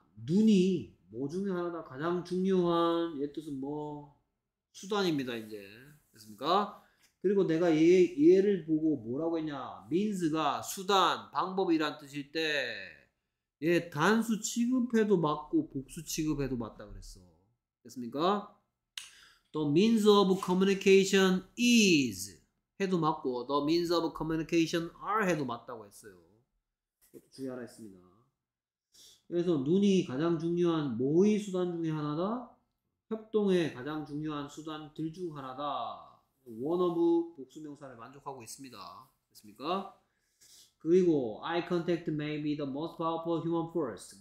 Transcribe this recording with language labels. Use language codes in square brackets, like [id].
[ko] 눈이 뭐 중에 하나다. 가장 중요한, 얘 뜻은 뭐? 수단입니다, 이제. 됐습니까? 그리고 내가 얘를 보고 뭐라고 했냐? means가 수단, 방법이란 뜻일 때얘 단수 취급해도 맞고 복수 취급해도 맞다 그랬어. 됐습니까? [en] The means of communication is [ko] 해도 맞고 [en] the means of communication are [ko] 해도 맞다고 했어요. 주의하라 했습니다. 그래서 눈이 가장 중요한 모의 수단 중에 하나다. 협동의 가장 중요한 수단들 중 하나다. one of 복수명사를 만족하고 있습니다. 됐습니까? 그리고 [en] eye contact may be the most powerful human force.